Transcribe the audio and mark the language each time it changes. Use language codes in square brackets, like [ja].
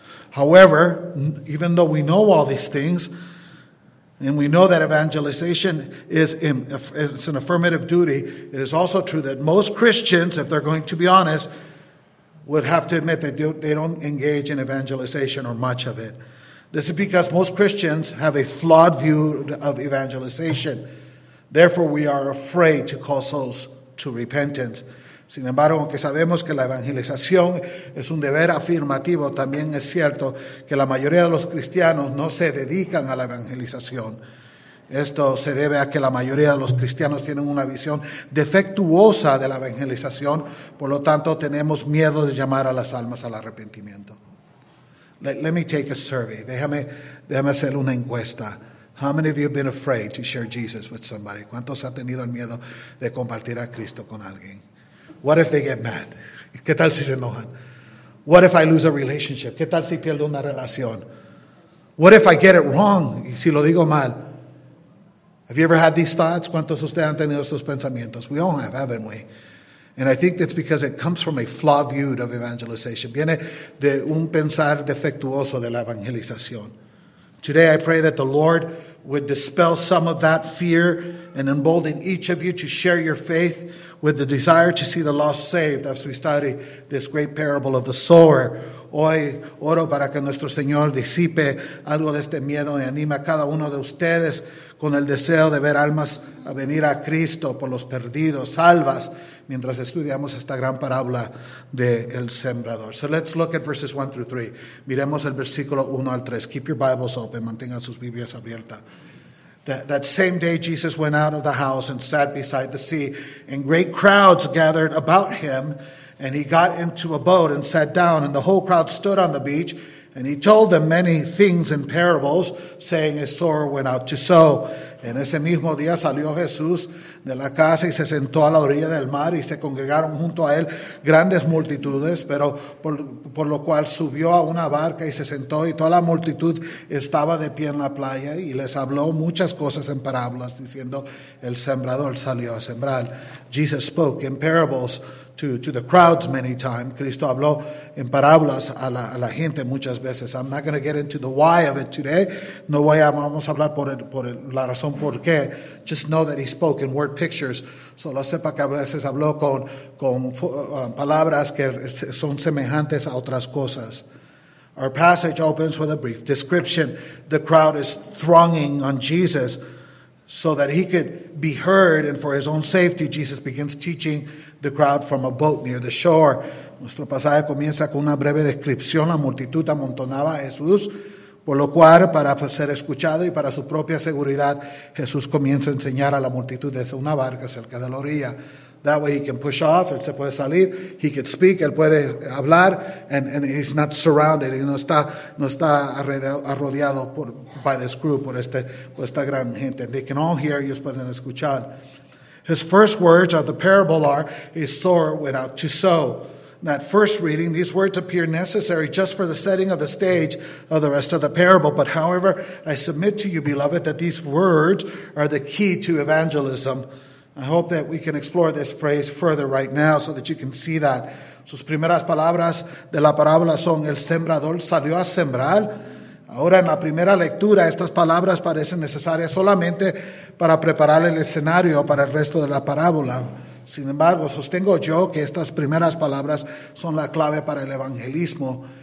[en] However, even though we know all these things, and we know that evangelization is an affirmative duty, it is also true that most Christians, if they're going to be honest, would have to admit that they don't engage in evangelization or much of it. This is because most Christians have a flawed view of evangelization. Therefore, we are afraid to call souls to repentance. [es] Sin embargo, aunque sabemos que la evangelización es un deber afirmativo, también es cierto que la mayoría de los cristianos no se dedican a la evangelización. Esto se debe a que la mayoría de los cristianos tienen una visión defectuosa de la evangelización, por lo tanto, tenemos miedo de llamar a las almas al arrepentimiento. [en] Let me take a survey. [es] Déjame hacer una encuesta. [en] How many of you have been afraid to share Jesus with somebody? [es] ¿Cuántos han tenido el miedo de compartir a Cristo con alguien? [en] What if they get mad? [es] ¿Qué tal si se enojan? [en] What if I lose a relationship? [es] ¿Qué tal si pierdo una relación? [en] What if I get it wrong? [es] ¿Y si lo digo mal? [en] Have you ever had these thoughts? [es] ¿Cuántos de ustedes han tenido estos pensamientos? [en] We all have, haven't we? And I think that's because it comes from a flawed view of evangelization. [es] Viene de un pensar defectuoso de la evangelización. [en] Today I pray that the Lord would dispel some of that fear and embolden each of you to share your faith with the desire to see the lost saved, as we study this great parable of the sower. [es] Hoy oro para que nuestro Señor disipe algo de este miedo y anime a cada uno de ustedes con el deseo de ver almas a venir a Cristo por los perdidos, salvas, mientras estudiamos esta gran parábola del sembrador. [en] So let's look at verses 1 through 3. [es] Miremos el versículo 1 al 3. [en] Keep your Bibles open. [es] Mantengan sus Biblias abiertas. [en] That same day Jesus went out of the house and sat beside the sea, and great crowds gathered about him, and he got into a boat and sat down, and the whole crowd stood on the beach, and he told them many things in parables, saying, a sower went out to sow. [es] En ese mismo día salió Jesús de la casa y se sentó a la orilla del mar, y se congregaron junto a él grandes multitudes, pero por lo cual subió a una barca y se sentó, y toda la multitud estaba de pie en la playa, y les habló muchas cosas en parábolas, diciendo, el sembrador salió a sembrar. [en] Jesus spoke in parables to the crowds many times. [es] Cristo habló en parábolas a la gente muchas veces. [en] I'm not going to get into the why of it today. [es] Vamos a hablar por la razón por qué. [en] Just know that he spoke in word pictures. [es] Solo sepa que a veces habló con palabras que son semejantes a otras cosas. [en] Our passage opens with a brief description. The crowd is thronging on Jesus so that he could be heard, and for his own safety, Jesus begins teaching the crowd from a boat near the shore. [es] Nuestro pasaje comienza con una breve descripción. La multitud amontonaba a Jesús, por lo cual, para ser escuchado y para su propia seguridad, Jesús comienza a enseñar a la multitud desde una barca cerca de la orilla. [en] That way he can push off, [es] él se puede salir, [en] he can speak, [es] él puede hablar, [en] and he's not surrounded, [es] y no está arrodeado [en] by this group, [es] por esta gran gente. [en] They can all hear, [es] ellos pueden escuchar. [en] His first words of the parable are, a sower went out to sow. In that first reading, these words appear necessary just for the setting of the stage of the rest of the parable. But however, I submit to you, beloved, that these words are the key to evangelism. I hope that we can explore this phrase further right now so that you can see that. [es] Sus primeras palabras de la parábola son, el sembrador salió a sembrar. Ahora, en la primera lectura, estas palabras parecen necesarias solamente para preparar el escenario para el resto de la parábola. Sin embargo, sostengo yo que estas primeras palabras son la clave para el evangelismo.